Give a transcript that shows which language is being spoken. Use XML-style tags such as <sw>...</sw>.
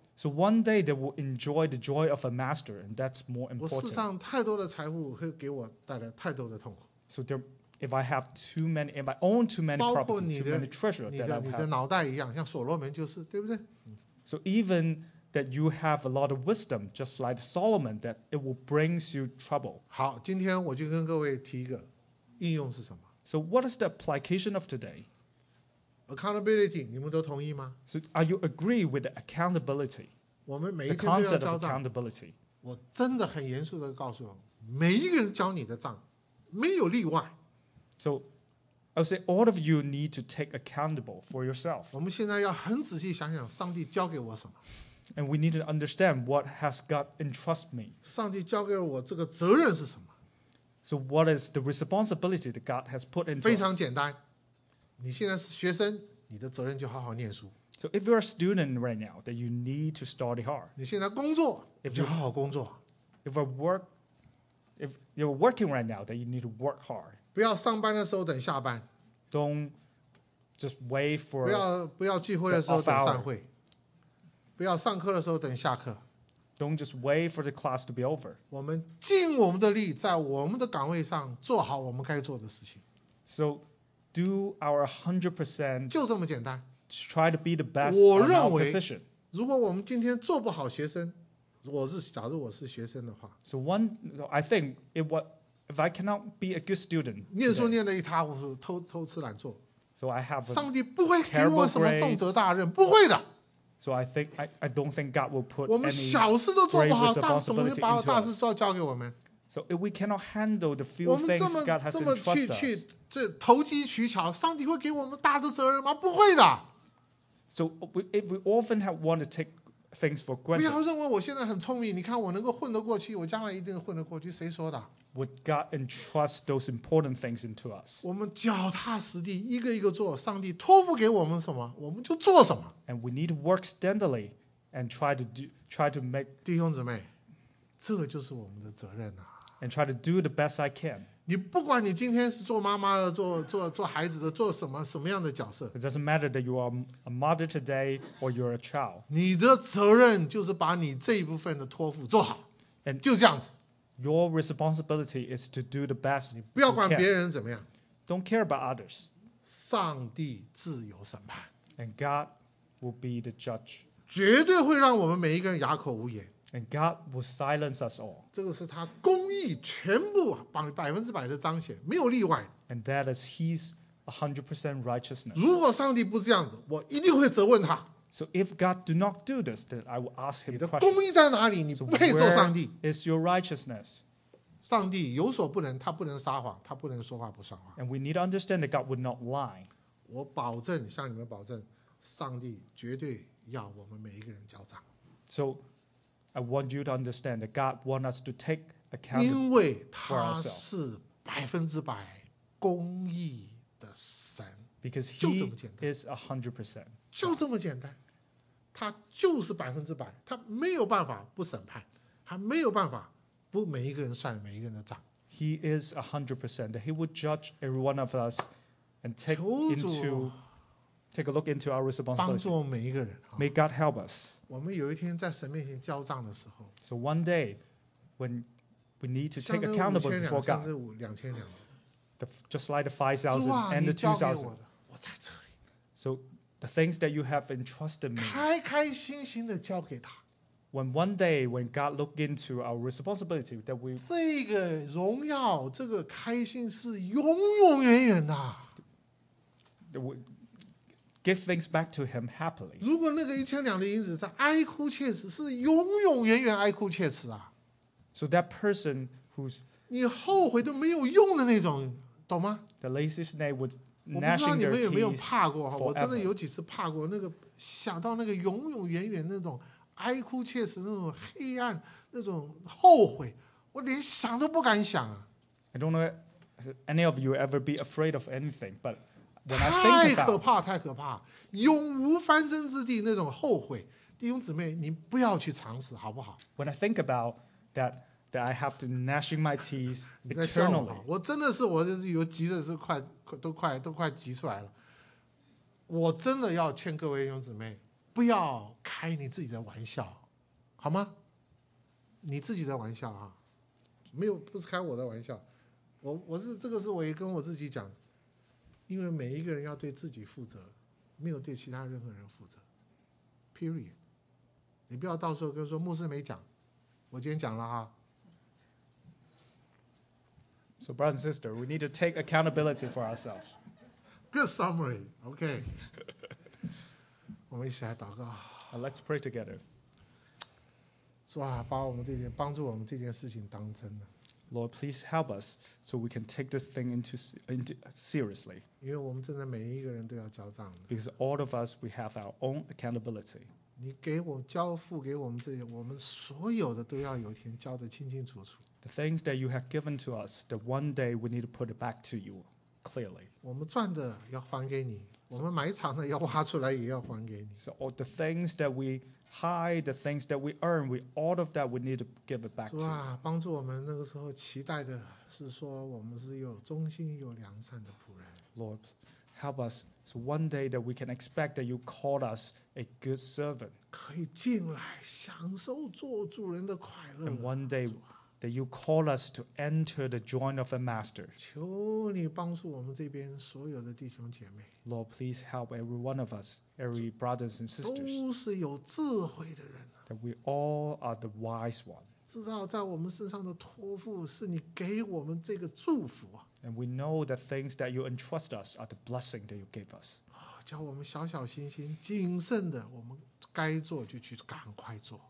<en>So one day they will enjoy the joy of a master, and that's more important.</en> <zh>我世上太多的财富会给我带来太多的痛苦。</zh> <en>So there, if I have too many, if I own too many property, too many treasure,</en> <zh>你的脑袋一样，像所罗门就是，对不对</zh> <en>？So even that you have a lot of wisdom, just like Solomon, that it will bring you trouble.</en> <zh>好，今天我就跟各位提一个应用是什么。</zh> <en>So what is the application of today?</en> <zh>Accountability, 你们都同意吗？</zh> <en>So are you agree with the accountability?</en> <zh>我们每一个人都要交账。Accountability. 我真的很严肃地告诉你，每一个人交你的账，没有例外。</zh> <en>So I would say all of you need to take accountable for yourself.</en> <zh>我们现在要很仔细想想上帝交给我什么。</zh> <en>And we need to understand what has God entrusted me.</en> <zh>上帝交给我这个责任是什么？</zh> <en>So what is the responsibility that God has put into us?</en> <zh>非常简单，你现在是学生，你的责任就好好念书。</zh> <en>So if you're a student right now, that you need to study hard.</en> <zh>你现在工作，你就好好工作。</zh> <en>If you're working right now, that you need to work hard.</en> <zh>不要上班的时候等下班。</zh> <en>Don't just wait for.</en> <zh>不要聚会的时候等散会。不要上课的时候等下课。</zh> <en>Don't just wait for the class to be over.</en> <zh>我们尽我们的力，在我们的岗位上做好我们该做的事情。</zh> <en>So do our 100%.</en> <zh>就这么简单。</zh> <en>Try to be the best.</en> <zh>我认为，如果我们今天做不好学生，假如我是学生的话。</zh> <en>So one, so I think if I cannot be a good student.</en> <zh>念书念得一塌糊涂，偷吃懒做。</zh> <en>So I have.</en> <zh>上帝不会给我什么重责大任，不会的。</zh> <en>So I don't think God will put any great responsibility into us. So if we cannot handle the few things God has entrusted us,</en> <zh>投机取巧，上帝会给我们大的责任吗？不会的。</zh> <en>So if we often have want to take things for granted,</en> <zh>不要认为我现在很聪明，你看我能够混得过去，我将来一定混得过去，谁说的？</zh> <en>Would God entrust those important things into us?</en> <zh>我们脚踏实地，一个一个做，上帝托付给我们什么，我们就做什么。</zh> <en>And we need to work steadily and try to make</en> <zh>弟兄姊妹，这就是我们的责任啊。</zh> <en>And try to do the best I can.</en> <zh>你不管你今天是做妈妈的，做孩子的，做什么样的角色。</zh> <en>It doesn't matter that you are a mother today or you're a child.</en> <zh>你的责任就是把你这一部分的托付做好。</zh> <en>And</en> <zh>就这样子。</zh> <en>Your responsibility is to do the best.</en> <zh>你不要管别人怎么样。</zh> <en>Don't care about others.</en> <zh>上帝自有审判。</zh> <en>And God will be the judge.</en> <zh>绝对会让我们每一个人哑口无言。</zh> <en>And God will silence us all.</en> <zh>这个是他公义全部100%的彰显，没有例外。</zh> <en>And that is His 100% righteousness.</en> <zh>如果上帝不这样子，我一定会责问他。</zh> <en>So if God do not do this, then I will ask him questions.</en> <zh>你的公义在哪里？你不配做上帝。</zh> <en>Where is your righteousness?</en> <zh>上帝有所不能，他不能撒谎，他不能说话不算话。</zh> <en>And we need to understand that God would not lie.</en> <zh>我保证，向你们保证，上帝绝对要我们每一个人交账。</zh> <en>So I want you to understand that God wants us to take account.</en> <zh>因为他是百分之百公义的神。</zh> <en>Because he is 100%.</en> <zh>就这么简单，他就是百分之百，他没有办法不审判，他没有办法不每一个人算每一个人的账。</zh> <en>He is 100%. He would judge every one of us and take a look into our responsibility.</en> <zh>帮助每一个人。</zh> <en>May God help us.</en> <zh>我们有一天在神面前交账的时候。</zh> <en>So one day when we need to take accountable before God.</en> <zh>像那5,200。</zh> <en>Just like the 5,000 and the 2,000.</en> <zh>我在这里。</zh> <en>So the things that you have entrusted me.</en> <zh>开开心心的交给他。</zh> <en>When one day when God looked into our responsibility that we</en> <zh>这个荣耀这个开心是永永远远的。</zh> <en>Give things back to him happily.</en> <zh>如果那个1,200的银子在哀哭切齿是永永远远哀哭切齿啊。</zh> <en>So that person who's</en> <zh>你后悔都没有用的那种懂吗</zh> <en>The lazy snake would gnashing their teeth forever.</en> <zh>我不知道你们有没有怕过我真的有几次怕过那个想到那个永永远远那种哀哭切齿那种黑暗那种后悔我连想都不敢想</zh> <en>I don't know any of you ever be afraid of anything but when I think</en> <zh>太可怕太可怕永无翻身之地那种后悔弟兄姊妹你不要去尝试好不好</zh> <en>When I think about that I have to gnashing my teeth eternally</en> <zh>我真的是我就是有急着是快都快急出来了我真的要劝各位弟兄姊妹不要开你自己的玩笑好吗你自己的玩笑啊没有不是开我的玩笑 我是这个是我也跟我自己讲因为每一个人要对自己负责没有对其他任何人负责 period 你不要到时候跟说牧师没讲我今天讲了啊</zh> <en>So, brother and sister, we need to take accountability for ourselves. Good summary. Okay.</en> <zh>我们一起来祷告。</zh> <en>And let's pray together.</en> <zh>主啊，把我们这件帮助我们这件事情当真的。</zh> <en>Lord, please help us so we can take this thing into seriously.</en> <zh>因为我们真的每一个人都要交账的。</zh> <en>Because all of us, we have our own accountability.</en> <zh>你给我交付给我们这些，我们所有的都要有一天交得清清楚楚。</zh> <en>The things that you have given to us, that one day we need to put it back to you clearly.</en> <zh>我们赚的要还给你，我们埋藏的要挖出来也要还给你。</zh> <en>So all the things that we hide, the things that we earn, we all of that we need to give it back to you.</en> <zh>主啊，帮助我们那个时候期待的是说我们是有忠心有良善的仆人。</zh> <en>Lord, help us so one day that we can expect that you called us a good servant.</en> <zh>可以进来享受做主人的快乐。</zh> <en>And one day. That you call us to enter the joint of a master.</en> <zh>求你帮助我们这边所有的弟兄姐妹。</zh> <en>Lord, please help every one of us, every brothers and sisters.</en> <zh>都是有智慧的人。</zh> <en>That we all are the wise one.</en> <zh>知道在我们身上的托付是你给我们这个祝福。</zh> <en>And we know the things that you entrust us are the blessing that you gave us.</en> <zh>叫我们小小心心谨慎的我们该做就去赶快做。</zh>